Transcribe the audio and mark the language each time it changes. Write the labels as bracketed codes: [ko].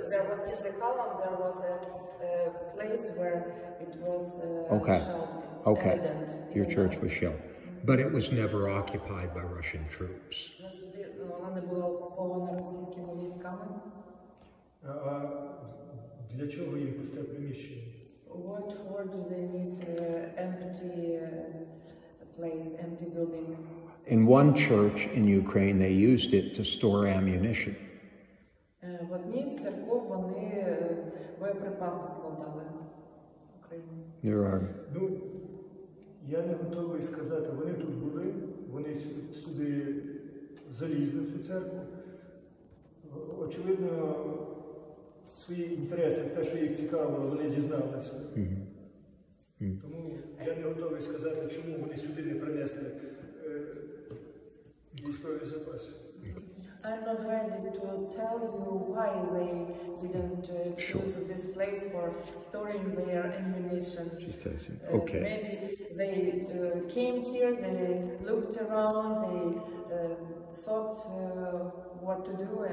[en] there was just a column, there was a place where it was okay. Shelled. It's okay. Evident. Your church was shelled. But it was never occupied by Russian troops. [uk] Вона не була окупована російськими військами. А для чого їм пусте приміщення? [en] What for do they need empty place, empty building? In one church in Ukraine, they used it to store ammunition. [uk] В одній з церков вони боєприпаси складали в Україні. [en] There are. [uk] Я не готовий сказати, вони тут були, вони сюди залізли, в цю церкву. Очевидно, свої інтереси, те, що їх цікавило, вони дізналися. Тому я не готовий сказати, чому вони сюди не принесли військові запаси. [en] I'm not ready to tell you why they didn't choose this place for storing their ammunition. Okay. Maybe they came here, they looked around, they thought what to do,